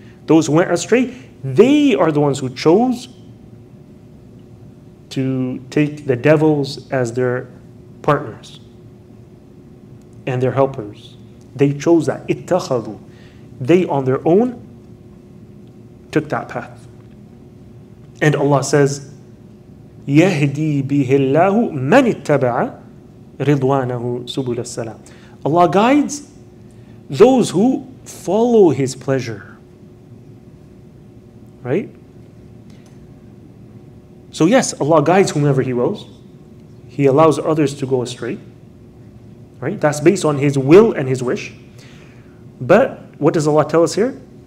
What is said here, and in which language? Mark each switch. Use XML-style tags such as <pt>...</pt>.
<en>Those who went astray, they are the ones who chose to take the devils as their partners and their helpers. They chose that. اتخذوا. They on their own took that path. And Allah says,</en> <ar>يَهْدِي بِهِ اللَّهُ مَنِ اتَّبَعَ رِضْوَانَهُ سُبُلَ السَّلَامِ.</ar> <en>Allah guides those who follow His pleasure. Right? So yes, Allah guides whomever He wills. He allows others to go astray. Right? That's based on His will and His wish. But what does Allah tell us here?</en>